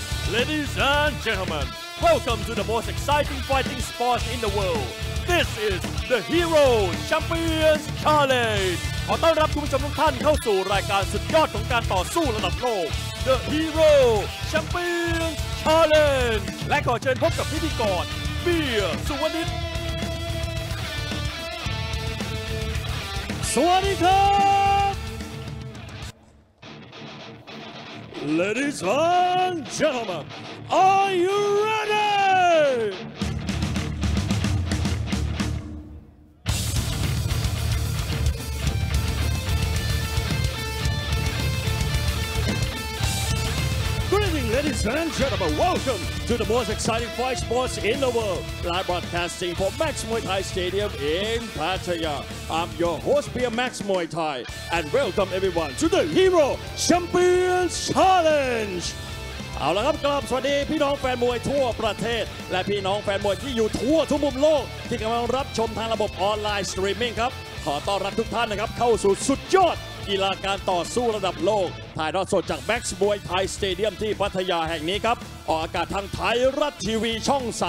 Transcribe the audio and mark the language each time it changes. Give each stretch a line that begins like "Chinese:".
English: Ladies and gentlemen, welcome to the most exciting fighting sport in the world. This is the Hero Champions Challenge.
Thai: ขอต้อนรับคุณผู้ชมทุกท่านเข้าสู่รายการสุดยอดของการต่อสู้ระดับโลก The Hero Champions Challenge. และขอเชิญพบกับพิธีกรเบียร์สุวรรณิช สวัสดีครับ
English: Ladies and gentlemen, are you ready? Ladies and gentlemen, welcome to the most exciting fight sports in the world. Live broadcasting for Max Muay Thai Stadium in Pattaya. I'm your host, Pierre Max Muay Thai, and welcome everyone to the Hero Champions Challenge.
Thai: เอาละครับกลับสวัสดีพี่น้องแฟนมวยทั่วประเทศและพี่น้องแฟนมวยที่อยู่ทั่วทุกมุมโลกที่กำลังรับชมทางระบบออนไลน์สตรีมมิ่งครับขอต้อนรับทุกท่านนะครับเข้าสู่สุดยอดกีฬาการต่อสู้ระดับโลกถ่ายทอดสดจากแม็กซ์บอยไทยสเตเดียมที่พัทยาแห่งนี้ครับออกอากาศทางไทยรัฐทีวีช่อง